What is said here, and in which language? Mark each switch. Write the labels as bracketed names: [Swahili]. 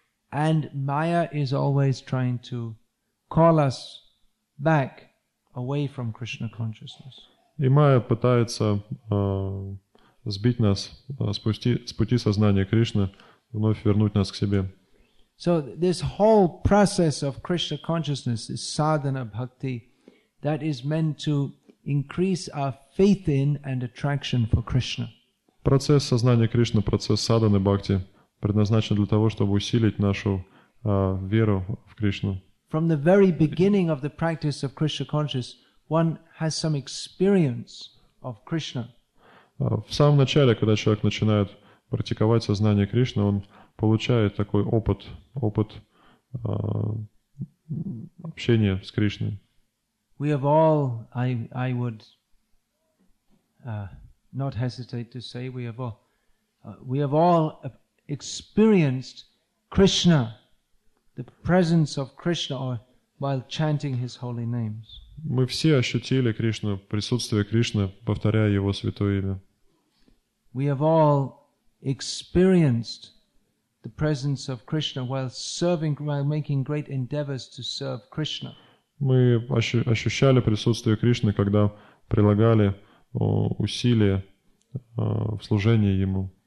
[English] And Maya is always trying to call us back away from Krishna consciousness. [Russian] И Майя пытается сбить нас с пути сознания Кришны, вновь вернуть нас к себе. [English] So this whole process of Krishna consciousness, this sadhana bhakti, that is meant to increase our faith in and attraction for Krishna. [Russian] Процесс сознания Кришны, процесс садханы бхакти, предназначен для того, чтобы усилить нашу веру в Кришну. [English] From the very beginning of the practice of Krishna consciousness, one has some experience of Krishna. [Russian] В самом начале, когда человек начинает практиковать сознание Кришны, он получает такой опыт общения с Кришной. [English] We have all, I would not hesitate to say, we have all experienced Krishna, the presence of Krishna, or while chanting His holy names. [Russian] Мы все ощутили Кришну, присутствие Кришны, повторяя Его святое имя. [English] We have all experienced the presence of Krishna while serving, while making great endeavors to serve Krishna. [Russian] Мы ощущали присутствие Кришны, когда прилагали усилия в служении Ему.